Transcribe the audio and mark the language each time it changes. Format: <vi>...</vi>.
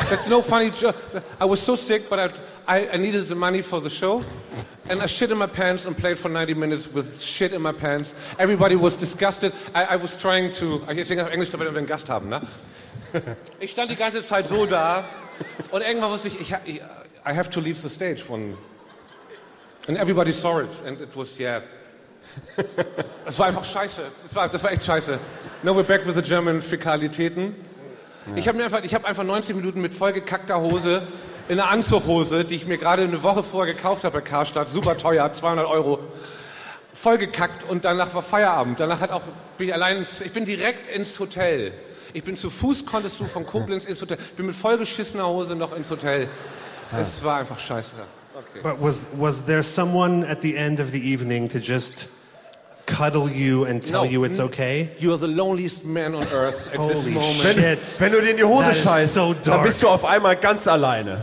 <en>That's no funny joke. I was so sick, but I needed the money for the show. And I shit in my pants and played for 90 minutes with shit in my pants. Everybody was disgusted. I was trying to...</en> <de>Ich singe auf Englisch, damit wir einen Gast haben, ne? Ich stand die ganze Zeit so da. Und irgendwann wusste ich,</de> <en>I have to leave the stage. And everybody saw it. And it was, yeah...</en> <de>Das war einfach scheiße. Das war echt scheiße.</de> <en>Now we're back with the German Fäkalitäten. Ja.</en> <de>Ich hab einfach 90 Minuten mit vollgekackter Hose in einer Anzughose, die ich mir gerade eine Woche vorher gekauft habe bei Karstadt, super teuer, 200 Euro, vollgekackt und danach war Feierabend. Danach bin ich direkt ins Hotel. Ich bin zu Fuß, konntest du von Koblenz ins Hotel. Bin mit vollgeschissener Hose noch ins Hotel. Es war einfach scheiße.</de> <en>Okay. But was there someone at the end of the evening to just cuddle you and tell you it's okay? You are the loneliest man on earth at Holy this moment.</en> <de>Wenn du dir in die Hose scheißt, so dann bist du auf einmal ganz alleine.</de>